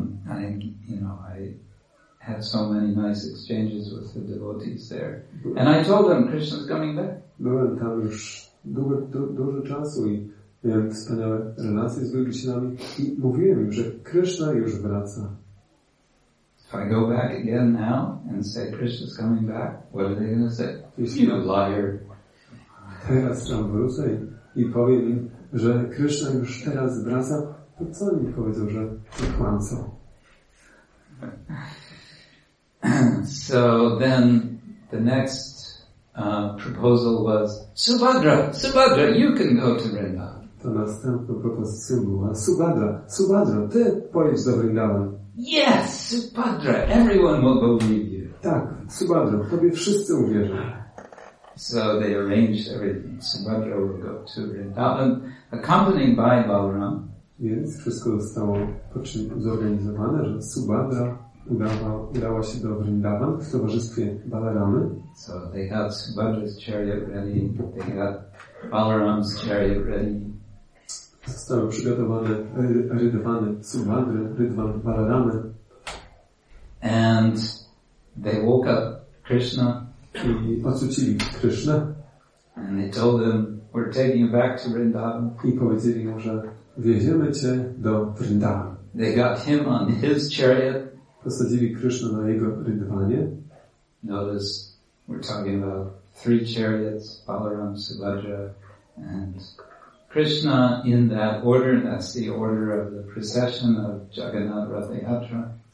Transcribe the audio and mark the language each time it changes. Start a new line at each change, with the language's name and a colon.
English: I had so many nice exchanges with the devotees there. And I told them Krishna's coming back.
Polish: Byłem tam już dużo czasu i miałem wspaniałe relacje z wielbicielami i mówiłem im, że Krishna już wraca.
English: If I go back again now and say Krishna's coming back, what are they going to say? You're a liar.
Polish: Teraz tam wrócę i powiem im, że Krishna już teraz wraca, to co oni powiedzą, że to kłamco?
English: So then the next proposal was Subhadra, Subhadra, you can go to Vrindavan.
Polish: To następna propozycja była Subhadra, Subhadra, ty pojedź do Vrindavan.
English: Yes, Subhadra, everyone will believe you.
Polish: Tak, Subhadra, tobie wszyscy uwierzą.
English: So they arranged everything. Subhadra will go to Vrindavan, accompanied by Balaram.
Polish: Więc wszystko zostało zorganizowane, że Subhadra udała się do Vrindavan w towarzystwie Balaramy.
English: So they had Subhadra's chariot ready, they had Balaram's chariot ready.
Polish: Zostały przygotowane rydwany Subhadry, rydwan Balaramy.
English: And they woke up Krishna.
Polish: I ocucili Krishna.
English: And they told him, we're taking you back to Vrindavan.
Polish: I powiedzieli mu, że wieziemy cię do Vrindavan.
English: They got him on his chariot.
Polish: Posadzili Krishna na jego rydwanie.
English: Notice, we're talking about three chariots, Balaram, Subhadra, and Krishna in that order, and that's the order of the procession of Jagannath Ratha Yatra.